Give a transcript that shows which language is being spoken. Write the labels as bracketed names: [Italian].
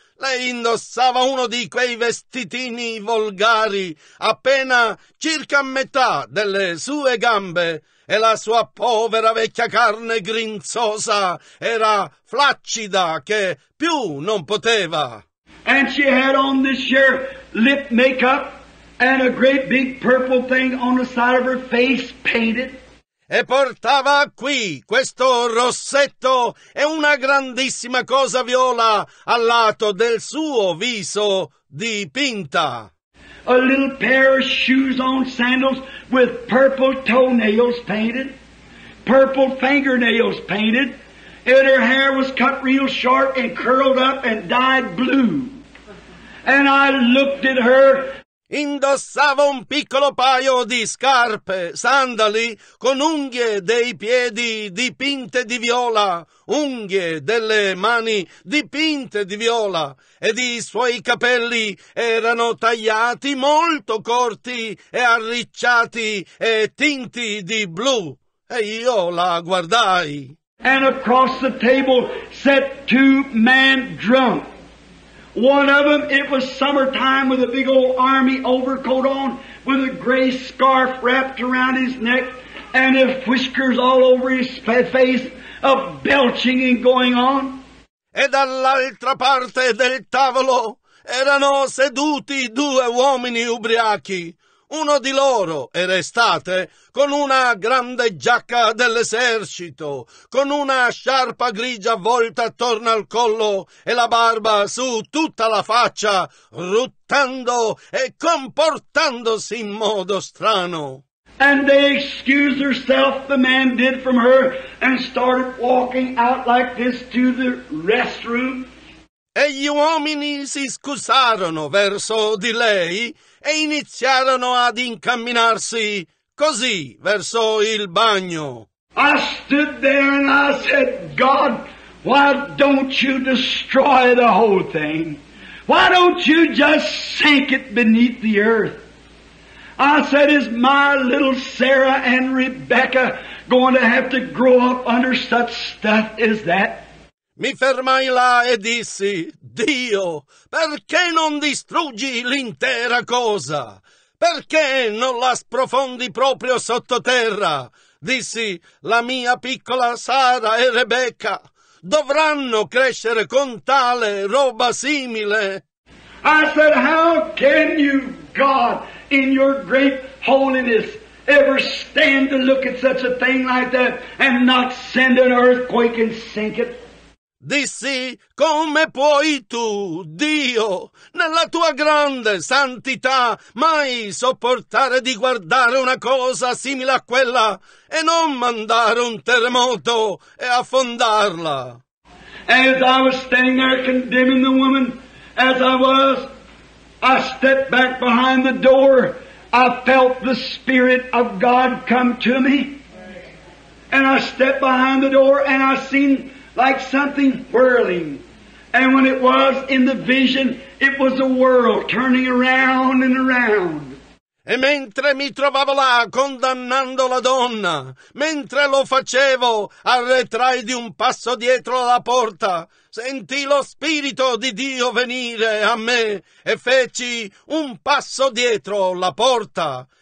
[Italian] Lei indossava uno di quei vestitini volgari appena circa metà delle sue gambe e la sua povera vecchia carne grinzosa era flaccida che più non poteva. [English] And she had on this year lip makeup and a great big purple thing on the side of her face painted. [Italian] E portava qui questo rossetto e una grandissima cosa viola al lato del suo viso dipinta. [English] A little pair of shoes on sandals with purple toenails painted, purple fingernails painted, and her hair was cut real short and curled up and dyed blue. And I looked at her. [Italian] Indossava un piccolo paio di scarpe, sandali, con unghie dei piedi dipinte di viola, unghie delle mani dipinte di viola, ed i suoi capelli erano tagliati molto corti e arricciati e tinti di blu. E io la guardai. [English] And across the table sat two men drunk. One of them, it was summertime with a big old army overcoat on, with a gray scarf wrapped around his neck, and his whiskers all over his face, a belching and going on. [Italian] E dall'altra parte del tavolo erano seduti due uomini ubriachi. Uno di loro era estate, con una grande giacca dell'esercito, con una sciarpa grigia avvolta attorno al collo e la barba su tutta la faccia, ruttando e comportandosi in modo strano. [English] And they excused herself, the man did from her, and started walking out like this to the restroom. [Italian] E gli uomini si scusarono verso di lei e iniziarono ad incamminarsi così verso il bagno. [English] I stood there and I said, God, why don't you destroy the whole thing? Why don't you just sink it beneath the earth? I said, is my little Sarah and Rebecca going to have to grow up under such stuff as that? [Italian] Mi fermai là e dissi, Dio, perché non distruggi l'intera cosa? Perché non la sprofondi proprio sottoterra? Dissi, la mia piccola Sara e Rebecca, dovranno crescere con tale roba simile. [English] I said, how can you, God, in your great holiness, ever stand to look at such a thing like that and not send an earthquake and sink it? [Italian] Dissi, come puoi tu, Dio, nella tua grande santità, mai sopportare di guardare una cosa simile a quella e non mandare un terremoto e affondarla? [English] As I was standing there condemning the woman, as I was, I stepped back behind the door, I felt the Spirit of God come to me, and I stepped behind the door and I seen like something whirling. And when it was in the vision, it was a world turning around and around. [Italian] E mentre mi trovavo là condannando la donna, mentre lo facevo, arretrai di un passo dietro la porta. Sentì lo Spirito di Dio venire a me e feci un passo dietro la porta.